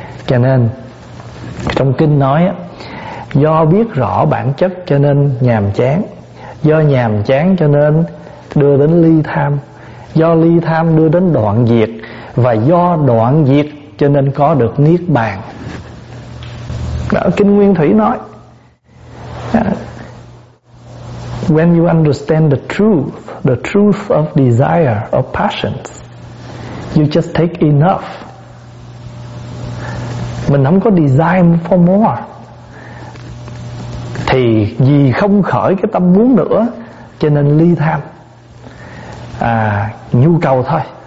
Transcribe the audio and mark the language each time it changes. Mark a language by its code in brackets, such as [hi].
[vi] Cho nên trong kinh nói do biết rõ bản chất cho nên nhàm chán, do nhàm chán cho nên đưa đến ly tham, do ly tham đưa đến đoạn diệt, và do đoạn diệt cho nên có được niết bàn. Đó, kinh Nguyên Thủy nói [en] when you understand the truth of desire of passions, you just take enough. [vi] Mình không có [en] desire for more [vi] thì vì không khởi cái tâm muốn nữa cho nên ly tham, nhu cầu thôi.